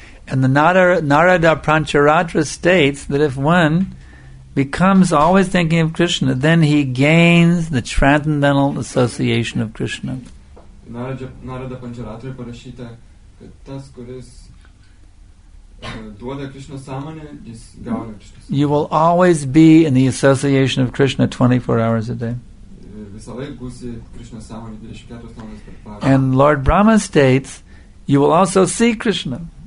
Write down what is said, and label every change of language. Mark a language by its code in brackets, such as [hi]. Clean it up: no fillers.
[en] And the Narada Pancharatra states that if one becomes always thinking of Krishna, then he gains the transcendental association of Krishna. [lt] Narada Pancharatra parašyta, kad tas, kuris duoda Krishna samonę, jis gauna Krishna [en] samonę. You will always be in the association of Krishna 24 hours a day. [lt] Visą laiką būsi Krishna samonė 24 valandas per parą. [en] And Lord Brahma states, you will also see Krishna.